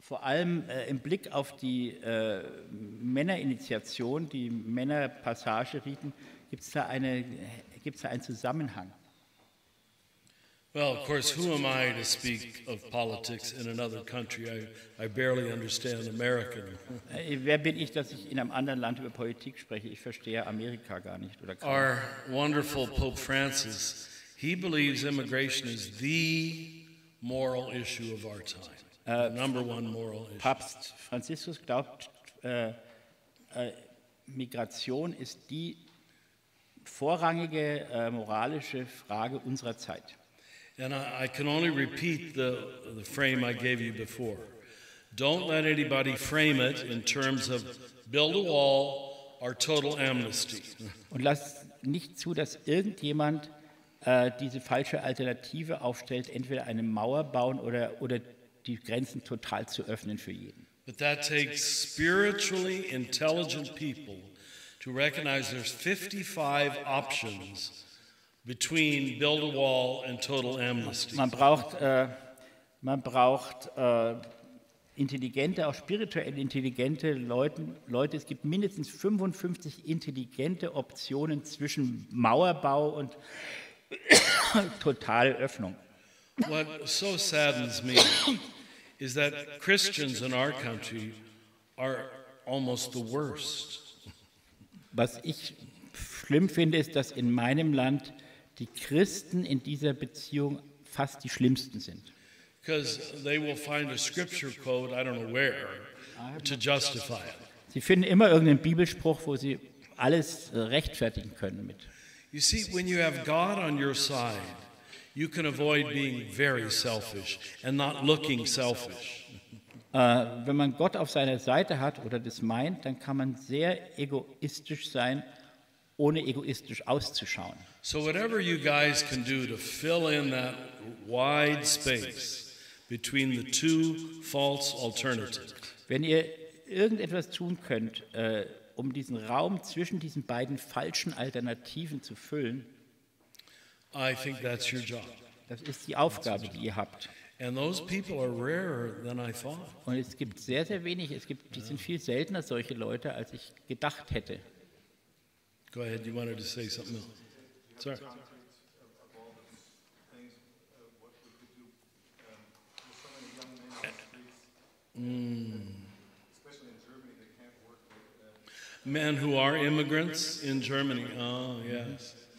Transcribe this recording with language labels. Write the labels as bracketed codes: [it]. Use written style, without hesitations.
[de] vor allem im Blick auf die Männerinitiation, die Männerpassageriten, gibt es da einen Zusammenhang? [en] Well, of course, who am I to speak of politics in another country? I barely understand American. [de] Wer bin ich, dass ich in einem anderen Land über Politik spreche? Ich verstehe Amerika gar nicht. Oder kann. [en] Our wonderful Pope Francis, he believes immigration is the moral issue of our time. The number one moral issue. [de] Papst Franziskus glaubt, Migration ist die vorrangige moralische Frage unserer Zeit. [en] And I can only repeat the frame I gave you before. Don't let anybody frame it in terms of build a wall or total amnesty. [de] Und lass nicht zu, dass irgendjemand diese falsche Alternative aufstellt, entweder eine Mauer bauen oder die Grenzen total zu öffnen für jeden. [en] But that takes spiritually intelligent people to recognize there's 55 options between build a wall and total amnesty. [de] Man braucht intelligente, auch spirituell intelligente Leute, es gibt mindestens 55 intelligente Optionen zwischen Mauerbau und totale Öffnung. [en] What so saddens me is that Christians in our country are almost the worst. [de] Was ich schlimm finde, ist, dass in meinem Land die Christen in dieser Beziehung fast die schlimmsten sind. [en] Because they will find a scripture quote, I don't know where, to justify it. [de] Sie finden immer irgendeinen Bibelspruch, wo sie alles rechtfertigen können mit. [en] You see, when you have God on your side, you can avoid being very selfish and not looking selfish. [de] Wenn man Gott auf seiner Seite hat oder das meint, dann kann man sehr egoistisch sein, ohne egoistisch auszuschauen. [en] So whatever you guys can do to fill in that wide space between the two false alternatives. [de] Wenn ihr irgendetwas tun könnt, um diesen Raum zwischen diesen beiden falschen Alternativen zu füllen, [en] I think that's your job. [de] Das ist die Aufgabe, die ihr habt. [en] And those people are rarer than I thought. [de] Und es gibt sehr, sehr wenig. Die sind viel seltener, solche Leute, als ich gedacht hätte. [en] Go ahead, you wanted to say something else. Sir. Men who are immigrants in Germany. Oh, yes.